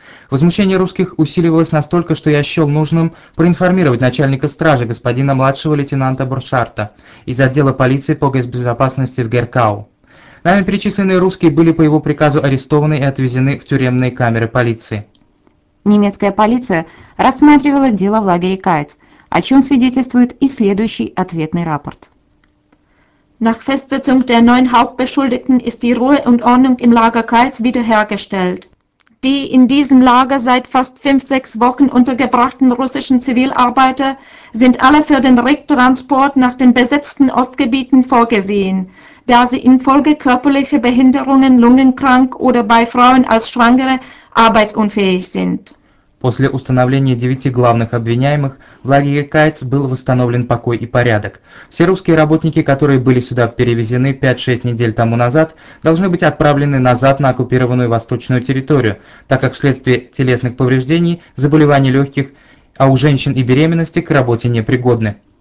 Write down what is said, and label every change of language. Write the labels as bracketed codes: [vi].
[ru] Возмущение русских усиливалось настолько, что я счел нужным проинформировать начальника стражи, господина младшего лейтенанта Буршарта, из отдела полиции по госбезопасности в Геркау. Нами перечисленные русские были по его приказу арестованы и отвезены в тюремные камеры полиции. Немецкая полиция рассматривала дело в лагере Кайц, о чем свидетельствует и следующий ответный рапорт. [de] Nach Festsetzung der neun Hauptbeschuldigten ist die Ruhe und Ordnung im Lager Kaltz wiederhergestellt. Die in diesem Lager seit fast 5-6 Wochen untergebrachten russischen Zivilarbeiter sind alle für den Rücktransport nach den besetzten Ostgebieten vorgesehen, da sie infolge körperlicher Behinderungen lungenkrank oder bei Frauen als Schwangere arbeitsunfähig sind. [ru] После установления 9 главных обвиняемых в лагере Кайц был восстановлен покой и порядок. Все русские работники, которые были сюда перевезены 5-6 недель тому назад, должны быть отправлены назад на оккупированную восточную территорию, так как вследствие телесных повреждений, заболеваний легких, а у женщин и беременности к работе непригодны.